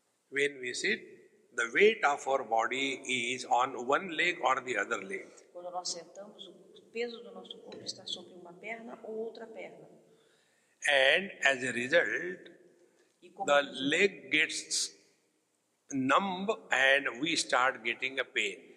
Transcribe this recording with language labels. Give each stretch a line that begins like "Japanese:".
English: When we sit, the weight of our body is on one leg or the other leg.
Portuguese: Quando nós sentamos, o peso do nosso corpo está sobre uma perna ou outra perna.
English: And as a result, the leg gets numb and we start getting a pain.